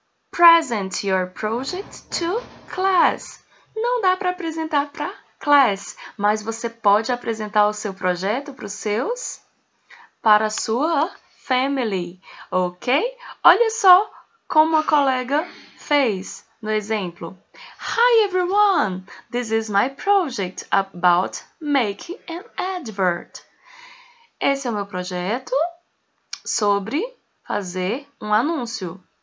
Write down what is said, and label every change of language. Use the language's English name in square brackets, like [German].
[English] Present your project to class. [Portuguese] Não dá para apresentar para class, mas você pode apresentar o seu projeto para os seus, para a sua family, ok? Olha só como a colega fez no exemplo. [English] Hi everyone, this is my project about making an advert. [Portuguese] Esse é o meu projeto sobre fazer um anúncio.